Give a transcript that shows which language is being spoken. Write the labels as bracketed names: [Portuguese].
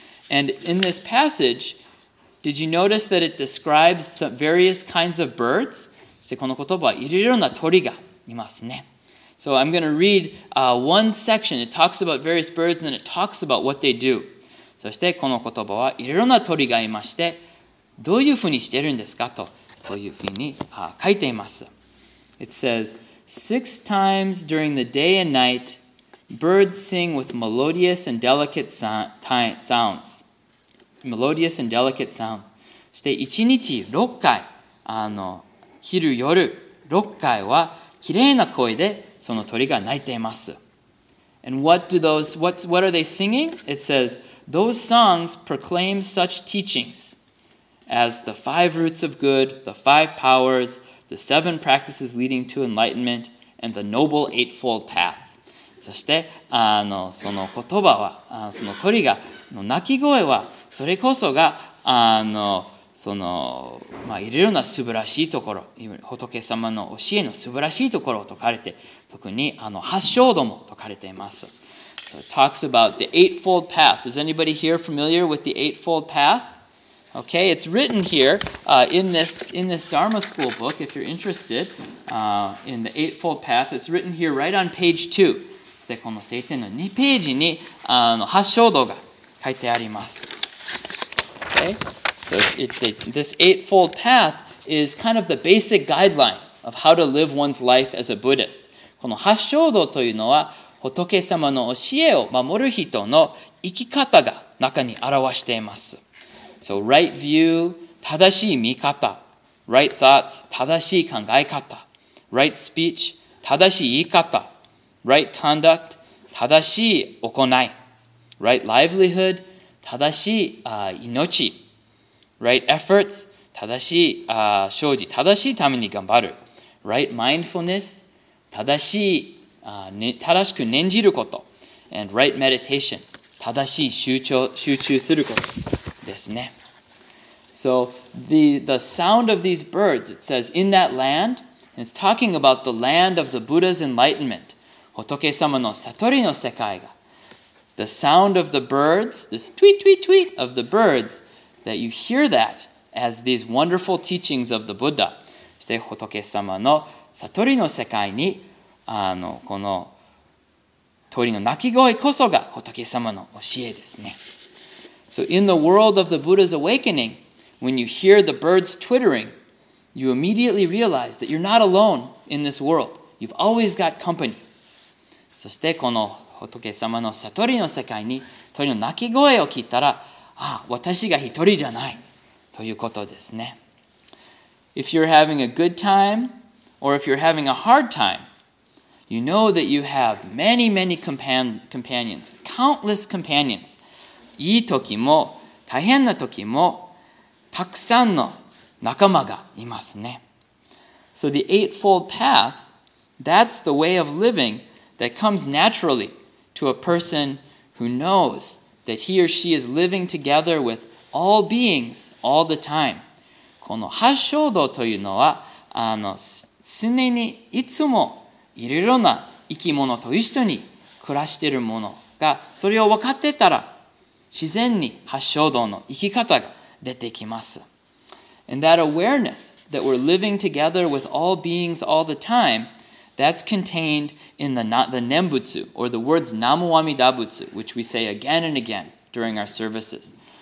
[English] And in this passage, did you notice that it describes some various kinds of birds? [Japanese] そしてこの言葉はいろいろな鳥がいますね。 [English] So I'm going to read one section. It talks about various birds and it talks about what they do. [Japanese] そしてこの言葉はいろいろな鳥がいまして、どういうふうにしてるんですかと。こういうふうに書いています。 [English] It says, six times during the day and night, birds sing with melodious and delicate sounds. Melodious and delicate sound. [Japanese] そして一日六回、昼夜六回は綺麗な声でその鳥が鳴いています。 [English] And what do those, what are they singing? It says, those songs proclaim such teachings. As the five roots of good, the five powers, the seven practices leading to enlightenment, and the noble eightfold path. [Japanese] そして、その言葉は、その鳥が、の鳴き声は、それこそが、その、まあ、いろいろな素晴らしいところ、仏様の教えの素晴らしいところを説かれて、特にあの八正道も説かれています。 [English] So it talks about the Eightfold Path. Is anybody here familiar with the Eightfold Path? Okay, it's written here in this Dharma School book, if you're interested in the Eightfold Path. It's written here right on page 2. [Japanese] そしてこの聖典の2ページにあの八正道が書いてあります。 [English] Okay. So this Eightfold Path is kind of the basic guideline of how to live one's life as a Buddhist. [Japanese] この八正道というのは仏様の教えを守る人の生き方が中に表しています。 [English] So right view, [Japanese] 正しい見方。 [English] Right thoughts, [Japanese] 正しい考え方。 [English] Right speech, [Japanese] 正しい言い方。 [English] Right conduct, [Japanese] 正しい行い。 [English] Right livelihood, [Japanese] 正しい命。 [English] Right efforts, [Japanese] 正しい精進、正しいために頑張る。 [English] Right mindfulness, [Japanese] 正しく念じること。 [English] And right meditation, [Japanese] 正しい集中することですね。 [English] So the sound of these birds, it says, in that land, and it's talking about the land of the Buddha's enlightenment, [Japanese] 仏様の悟りの世界が。 [English] The sound of the birds, this tweet, tweet, tweet of the birds,that you hear that as these wonderful teachings of the Buddha. [Japanese] そして仏様の悟りの世界にあのこの鳥の鳴き声こそが仏様の教えですね。 [English] So in the world of the Buddha's awakening, when you hear the birds twittering, you immediately realize that you're not alone in this world. You've always got company. [Japanese] そしてこの仏様の悟りの世界に鳥の鳴き声を聞いたら、私が一人じゃないということですね。 [English] If you're having a good time or if you're having a hard time, you know that you have many, many companions, countless companions. [Japanese] いい時も大変な時もたくさんの仲間がいますね。 [English] So the Eightfold Path, that's the way of living that comes naturally to a person who knowsthat he or she is living together with all beings all the time. [Japanese] この八正道というのは、常にいつもいろいろな生き物と一緒に暮らしているものが、それを分かっていたら、自然に八正道の生き方が出てきます。 [English] And that awareness that we're living together with all beings all the time,That's contained in the Nembutsu, or the words Namu Amida Butsu, which we say again and again during our services.